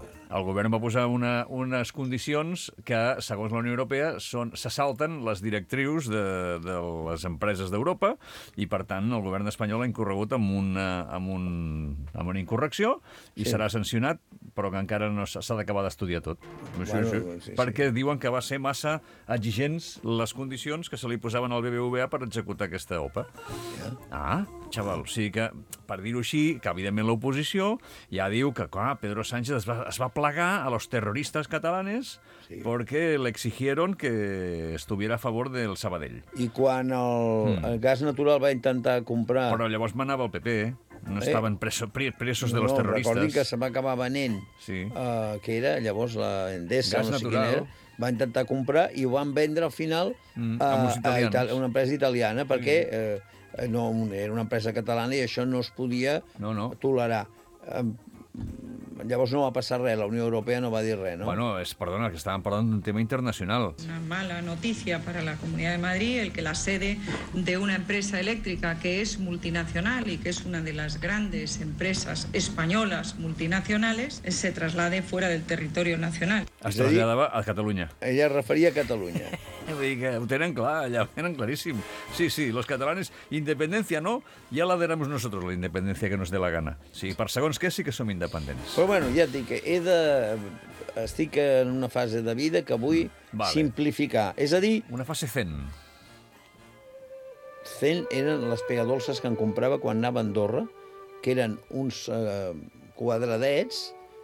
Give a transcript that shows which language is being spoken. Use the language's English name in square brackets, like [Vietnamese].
[Catalan] El govern va posar unes condicions que, segons la Unió Europea, se salten les directrius de les empreses d'Europa i, per tant, el govern espanyol ha incorregut amb una incorrecció i sí. Serà sancionat, però que encara no s'ha d'acabar d'estudiar tot. Bueno, sí. Perquè diuen que va ser massa exigents les condicions que se li posaven al BBVA per executar aquesta OPA. Yeah. Ah, xaval, o sigui que, per dir-ho així, que evidentment l'oposició ja diu que clar, Pedro Sánchez es va plegar [Spanish] a los terroristas catalanes [Catalan] sí. [Spanish] Porque le exigieron que estuviera a favor del Sabadell. [Catalan] I quan el gas natural va intentar comprar... Però llavors manava el PP, no estaven presos [Spanish] de los terroristas. [Catalan] Recordin que se m'acaba venent, sí. Que era llavors la Endesa, gas no sé natural. Quina era. Va intentar comprar i ho van vendre al final a una empresa italiana, perquè no, era una empresa catalana i això no es podia tolerar. Llavors no va passar res, la Unió Europea no va dir res, no? Bueno, perdona, que estàvem parlant d'un tema internacional. Una mala notícia per a la Comunitat de Madrid, el que la sede d'una empresa elèctrica que és multinacional i que és una de les grandes empreses espanyoles multinacionales [Spanish] se traslade [Catalan] fora del territori nacional. Es traslladava a Catalunya. Ella es referia a Catalunya. Vull dir que ho tenen clar, allà, tenen claríssim. [Spanish] Sí, sí, los catalanes, independencia no, ya la daremos nosotros, la independencia que nos dé la gana. [Catalan] Sí, per segons què, sí que som independents. Però bueno, ja et dic, estic en una fase de vida que vull simplificar. És a dir... Una fase zen. Zen eren les pegadolces que em comprava quan anava a Andorra, que eren uns quadradets...